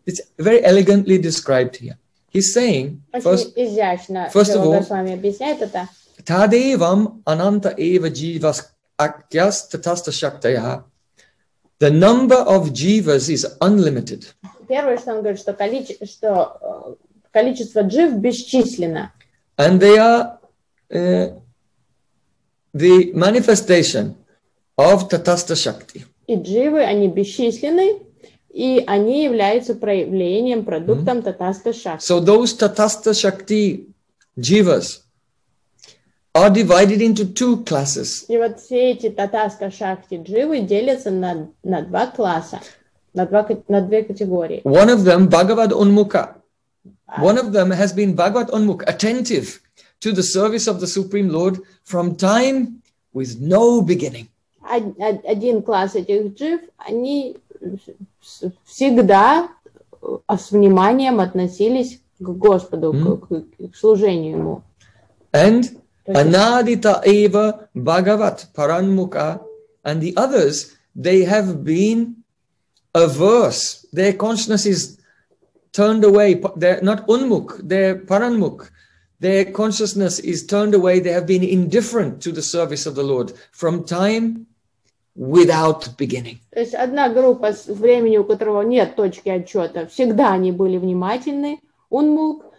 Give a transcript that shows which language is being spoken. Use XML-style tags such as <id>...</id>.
<en>It's very elegantly described here. He's saying, first of all,</en> <sa>tadevam ananta eva jivas akyas tatasta shaktaya.</sa> <en>The number of jivas is unlimited.</en> <ru>Первое, что он говорит, что количество джив бесчисленно.</ru> <en>And they are the manifestation of Tatastha Shakti.</en> <ru>И дживы, они бесчисленны, и они являются проявлением, продуктом Tatastha Shakti.</ru> <en>So those Tatastha Shakti jivas are divided into two classes.</en> <ru>И вот все эти татаста шакти дживы делятся на два класса, на две категории.</ru> <en>One of them, Bhagavad Unmukha. One of them has been Bhagavad Unmukha, attentive to the service of the Supreme Lord from time with no beginning.</en> <ru>Один класс этих джив, они всегда с вниманием относились к Господу, к служению Ему.</ru> <en>And</en> <sa>anadita eva bhagavat paranmukha,</sa> <en>and the others, they have been averse. Their consciousness is turned away. They're not unmukh, they're paranmukh. Their consciousness is turned away. They have been indifferent to the service of the Lord from time without beginning.</en> <ru>То есть одна группа с времени, у которого нет точки отчета, всегда они были внимательны, unmukh.</ru>